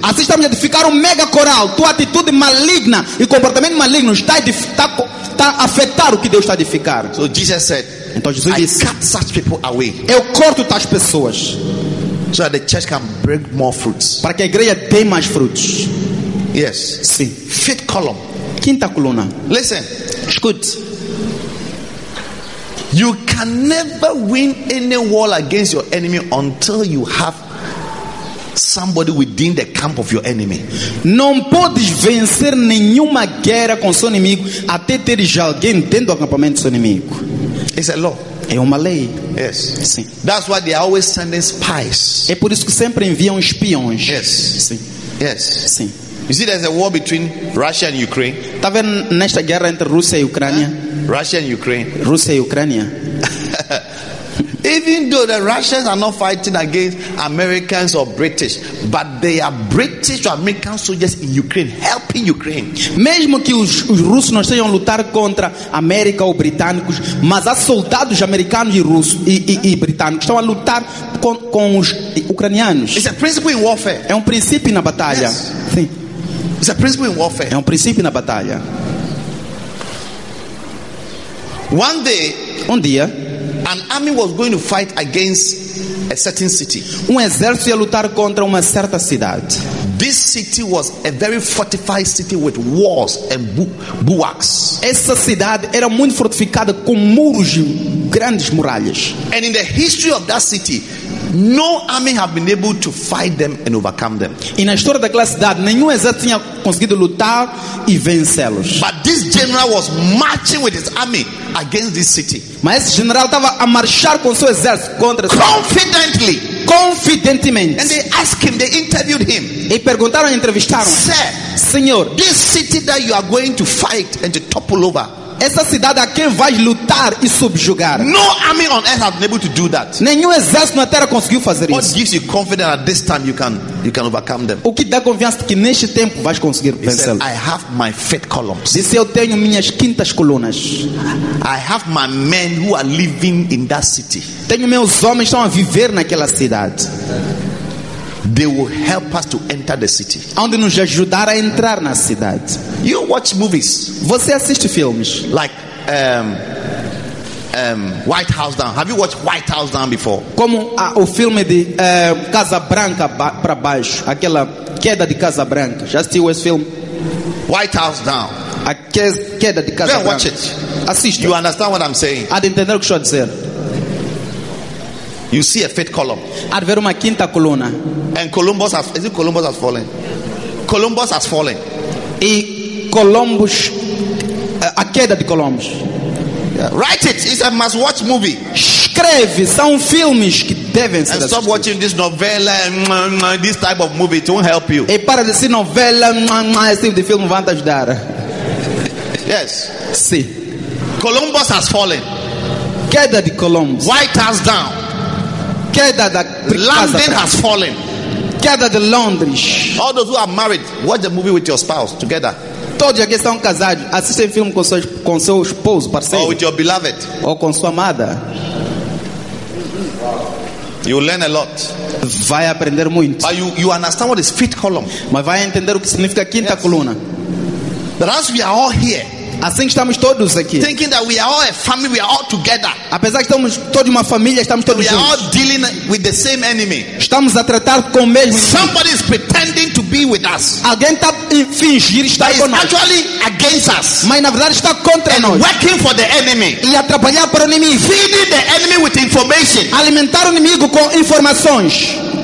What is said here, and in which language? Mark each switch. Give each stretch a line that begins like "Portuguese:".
Portuguese: Assim estamos a edificar um mega coral. Tua atitude maligna e comportamento maligno está a afetar o que Deus está a edificar.
English: So Jesus said,
Portuguese: então Jesus disse,
English: "I cut such people away."
Portuguese: Eu corto tais pessoas.
English: So that the church can bring more fruits.
Portuguese: Para que a igreja dê mais frutos.
English: Yes.
Portuguese: Sim.
English: Fifth column.
Portuguese: Quinta coluna.
English: Listen.
Portuguese: Escute.
English: You can never win any war against your enemy until you have somebody within the camp of your enemy.
Portuguese: Não podes vencer nenhuma guerra com seu inimigo até teres alguém dentro do acampamento do seu inimigo.
English: It's a law.
Portuguese: É uma lei.
English: Yes.
Portuguese: Sim.
English: That's why they are always sending spies.
Portuguese: É por isso que sempre enviam espiões.
English: Yes.
Portuguese: Sim.
English: Yes.
Portuguese: Sim.
English: You see, there's a war between Russia and Ukraine.
Portuguese: Tá vendo nesta guerra entre Rússia e Ucrânia?
English: Russia and Ukraine.
Portuguese: Rússia e Ucrânia.
English: Even though the Russians are not fighting against Americans or British, but they are British or American soldiers in Ukraine, helping Ukraine.
Portuguese: Mesmo que os russos não estejam a lutar contra América ou britânicos, mas há soldados americanos e russos e britânicos estão a lutar com os ucranianos.
English: It's a principle in warfare.
Portuguese: É um princípio na batalha.
English: Yes.
Portuguese: Sim.
English: It's a principle in warfare.
Portuguese: É um princípio na batalha.
English: One day,
Portuguese: um dia,
English: an army was going to fight against a certain city.
Portuguese: Um exército ia lutar contra uma certa cidade.
English: This city was a very fortified city with walls and bulwarks.
Portuguese: Essa cidade era muito fortificada com muros, grandes muralhas.
English: And in the history of that city, no army had been able to fight them and overcome them.
Portuguese: E na história daquela cidade, nenhum exército tinha conseguido lutar e vencê-los.
English: But this general was marching with his army against this city.
Portuguese: Mas esse general estava a marchar com seu exército contra.
English: Confidently.
Portuguese: Confidentemente.
English: And they asked him, they interviewed him.
Portuguese: E perguntaram, entrevistaram.
English: Sir,
Portuguese: senhor,
English: this city that you are going to fight and to topple over.
Portuguese: Essa cidade a quem vai lutar e subjugar?
English: No army on earth has been able to do that.
Portuguese: Nenhum exército na terra conseguiu fazer
English: what
Portuguese: isso.
English: What gives you confidence that this time you can overcome them?
Portuguese: O que dá confiança que neste tempo vais conseguir vencer?
English: I have my faith columns.
Portuguese: Disse, eu tenho minhas quintas colunas.
English: I have my men who are living in that city.
Portuguese: Tenho meus homens que estão a viver naquela cidade.
English: They will help us to enter the city.
Portuguese: Onde nos ajudar a entrar na cidade.
English: You watch movies.
Portuguese: Você assiste filmes.
English: Like White House Down. Have you watched White House Down before?
Portuguese: Como o filme de Casa Branca para baixo, aquela queda de Casa Branca. Já assistiu esse filme?
English: White House Down.
Portuguese: A queda de Casa Branca.
English: Then watch it.
Portuguese: Assiste.
English: You understand what I'm saying?
Portuguese: Há de entender o que estou a dizer.
English: You see a fifth column.
Portuguese: Há de ver uma quinta coluna.
English: And Columbus has, is it Columbus has fallen? Columbus has fallen.
Portuguese: E Columbus, a queda de Columbus.
English: Yeah. Write it. It's a must-watch movie.
Portuguese: Escreve, são filmes que devem ser.
English: And stop watching this novela, this type of movie. It won't help you.
Portuguese: E para de ser novela, esse tipo de filme vai te ajudar.
English: Yes.
Portuguese: Sim.
English: Columbus has fallen.
Portuguese: Queda de Columbus.
English: White House down.
Portuguese: Queda da
English: casa. London has fallen.
Portuguese: Queda de Londres.
English: All those who are married, watch the movie with your spouse together.
Portuguese: Todos aqueles que estão casados, assistem filme com seu esposo, parceiro.
English: Or with your beloved.
Portuguese: Ou com sua amada.
English: You learn a lot.
Portuguese: Vai aprender muito.
English: But you understand what is fifth column.
Portuguese: Mas vai entender o que significa quinta coluna.
English: But as we are all here,
Portuguese: assim estamos todos aqui.
English: Thinking that we are all a family, we are all together.
Portuguese: Apesar que estamos todos uma família, estamos todos juntos.
English: We are all dealing with the same enemy.
Portuguese: Estamos a tratar com o mesmo inimigo.
English: Somebody is pretending to be with us.
Portuguese: Alguém está a fingir estar conosco.
English: Actually against us.
Portuguese: Mas na verdade está contra
English: and
Portuguese: nós.
English: Working for the enemy.
Portuguese: E a trabalhar para o inimigo.
English: Feeding the enemy with information.
Portuguese: Alimentar o inimigo com informações.